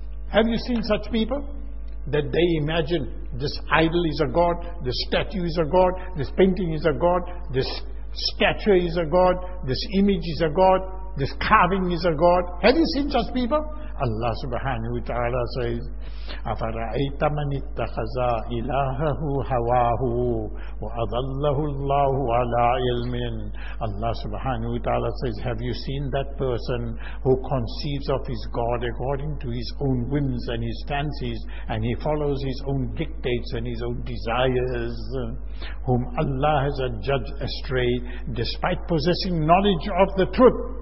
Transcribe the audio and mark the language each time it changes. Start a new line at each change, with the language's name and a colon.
English: Have you seen such people? That they imagine this idol is a god, this statue is a god, this painting is a god, this statue is a god, this image is a god, this carving is a god. Have you seen such people? Allah subhanahu wa ta'ala says,
Arabic: أَفَرَأَيْتَ مَنِ اتَّخَذَ إِلَاهَهُ هَوَاهُ وَأَضَلَّهُ اللَّهُ عَلَىٰ عِلْمٍ.
English: Allah subhanahu wa ta'ala says, have you seen that person who conceives of his God according to his own whims and his fancies, and he follows his own dictates and his own desires, whom Allah has judged astray despite possessing knowledge of the truth?